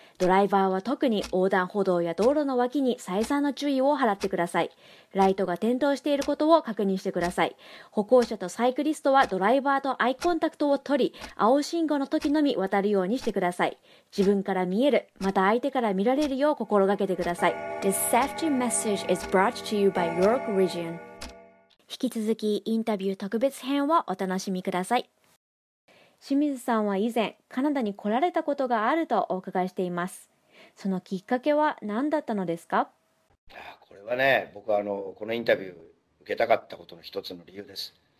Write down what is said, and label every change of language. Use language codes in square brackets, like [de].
[ja] ドライバーは特に横断歩道や道路の脇に再三の注意を払ってください。ライトが点灯していることを確認してください。歩行者とサイクリストはドライバーとアイコンタクトを取り、青信号の時のみ渡るようにしてください。自分から見える、また相手から見られるよう心がけてください。 [en] This safety message is brought to you by York Region. [ja] 引き続きインタビュー特別編をお楽しみください。清水さんは以前カナダに来られたことがあるとお伺いしています。そのきっかけは何だったのですか？これはね、僕はこのインタビュー受けたかったことの一つの理由です。